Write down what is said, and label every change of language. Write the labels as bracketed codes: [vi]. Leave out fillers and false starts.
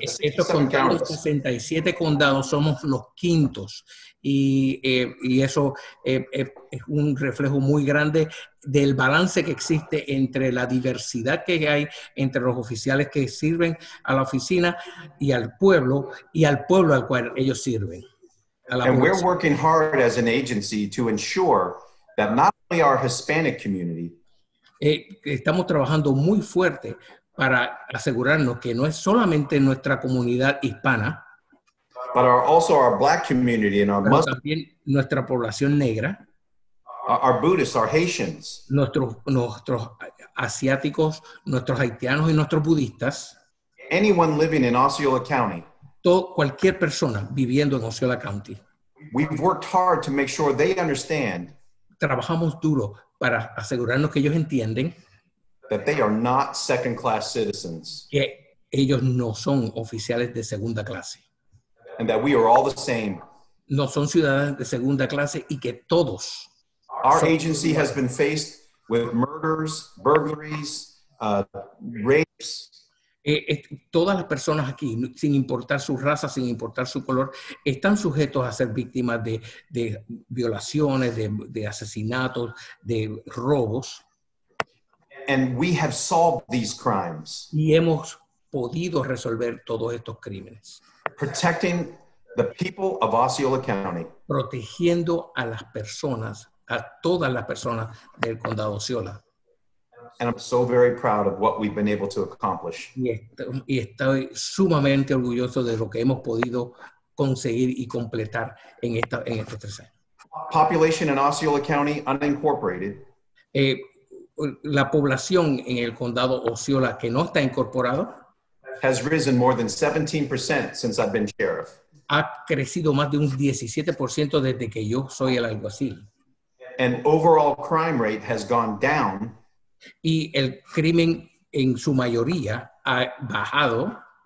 [es] Estos condados, 67 condados, somos los quintos. Y eso es un reflejo muy grande del balance que existe entre la diversidad que hay entre los oficiales que sirven a la oficina y al pueblo al cual ellos sirven. [en] And we're working hard as an agency to ensure that not only our Hispanic community. [es] Estamos trabajando muy fuerte para asegurarnos que no es solamente nuestra comunidad hispana, [en] but also our black community and our Muslim, [es] también nuestra población negra, [en] our Buddhists, our Haitians, [es] nuestros asiáticos, nuestros haitianos y nuestros budistas, [en] anyone living in Osceola County, [es] cualquier persona viviendo en Osceola County. [en] We've worked hard to make sure they understand, [es] trabajamos duro para asegurarnos que ellos entienden [en] that they are not second-class citizens. [es] Que ellos no son oficiales de segunda clase. [en] and that we are all the same. [es] No son ciudadanos de segunda clase y que todos. [en] Our agency has been faced with murders, burglaries, rapes. [es] Todas las personas aquí, sin importar su raza, sin importar su color, están sujetos a ser víctimas de violaciones, de asesinatos, de robos. [en] And we have solved these crimes. [es] Y hemos podido resolver todos estos crímenes. [en] Protecting the people of Osceola County. [es] Protegiendo a las personas, a todas las personas del condado Osceola. [en] And I'm so very proud of what we've been able to accomplish. [es] Y estoy sumamente orgulloso de lo que hemos podido conseguir y completar en estos tres años. [en] Population in Osceola County, unincorporated. [es] La población en el condado Osceola que no está incorporado [en] has risen more than 17% since I've been sheriff. [es] Ha crecido más de un 17% desde que yo soy el alguacil. [en] And overall crime rate has gone down. [es] Y el crimen en su mayoría ha bajado